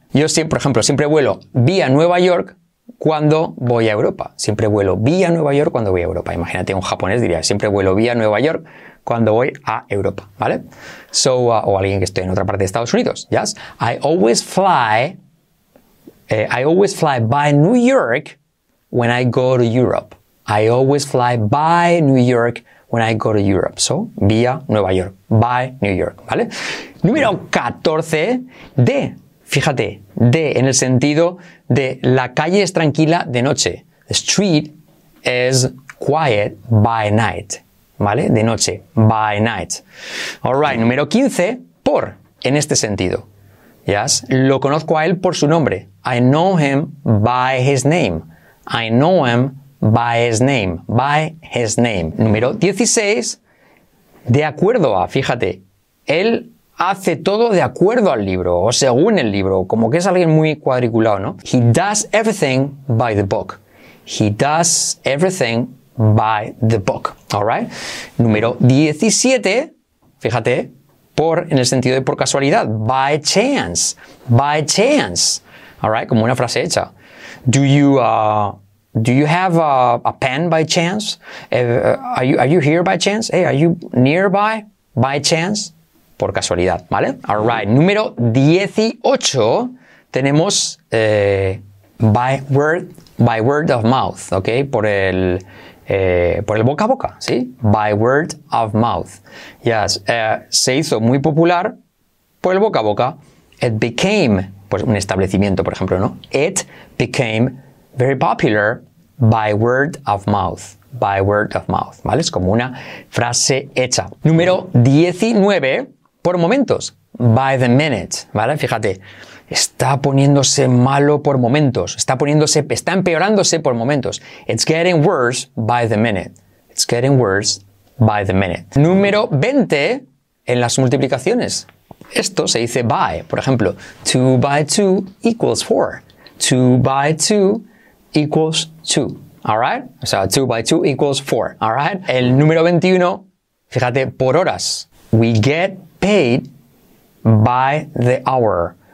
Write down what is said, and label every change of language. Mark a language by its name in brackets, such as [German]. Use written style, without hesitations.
[Spanish] Yo, siempre, por ejemplo, siempre vuelo vía Nueva York cuando voy a Europa. Siempre vuelo vía Nueva York cuando voy a Europa. Imagínate, un japonés diría, siempre vuelo vía Nueva York cuando voy a Europa, ¿vale? So, o alguien que esté en otra parte de Estados Unidos, ¿yes? [English] I always fly by New York when I go to Europe. I always fly by New York when I go to Europe. [Spanish] So, vía Nueva York, [English] by New York, [Spanish] ¿vale? Número 14, de... Fíjate, de, en el sentido de la calle es tranquila de noche. [English] The street is quiet by night. [Spanish] ¿Vale? De noche, [English] by night. All right, [Spanish] número 15, por, en este sentido. ¿Yes? Lo conozco a él por su nombre. [English] I know him by his name. I know him by his name. By his name. [Spanish] Número 16, de acuerdo a, fíjate, él... Hace todo de acuerdo al libro, o según el libro, como que es alguien muy cuadriculado, ¿no? [English] He does everything by the book. He does everything by the book. All right. [Spanish] Número 17, fíjate, por, en el sentido de por casualidad, by chance. [English] By chance. All right, [Spanish] como una frase hecha. [English] Do you have a pen by chance? Are you here by chance? Hey, are you nearby by chance? [Spanish] Por casualidad, ¿vale? [English] All right. [Spanish] Número 18 tenemos [English] by word of mouth, [Spanish] ¿ok? Por el por el boca a boca, ¿sí? [English] By word of mouth. Yes, [Spanish] se hizo muy popular por el boca a boca. [English] It became, [Spanish] pues un establecimiento, por ejemplo, ¿no? [English] It became very popular by word of mouth. By word of mouth, [Spanish] ¿vale? Es como una frase hecha. Número 19, por momentos. [English] By the minute, [Spanish] ¿vale? Fíjate, está poniéndose malo por momentos. Está empeorándose por momentos. [English] It's getting worse by the minute. It's getting worse by the minute. [Spanish] Número 20, en las multiplicaciones. Esto se dice by, por ejemplo, [English] 2 by 2 equals 4. 2 by 2 equals 2. Alright? [Spanish] O sea, [English] 2 by 2 equals 4. Alright? [Spanish] El número 21, fíjate, por horas. [English] We get paid by the hour.